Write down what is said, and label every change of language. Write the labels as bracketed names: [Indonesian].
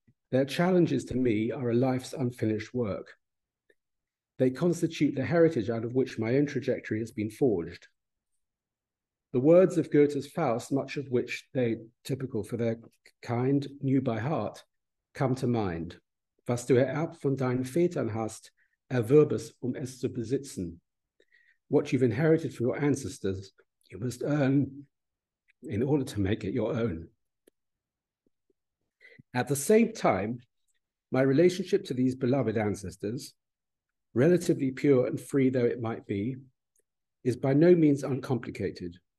[English] Their challenges to me are a life's unfinished work. They constitute the heritage out of which my own trajectory has been forged. The words of Goethe's Faust, much of which they, typical for their kind, knew by heart, come to mind. [German] Was du ererbt von deinen Vätern hast, erwirbest um es zu besitzen. [English] What you've inherited from your ancestors, you must earn in order to make it your own. At the same time, my relationship to these beloved ancestors, relatively pure and free though it might be, is by no means uncomplicated.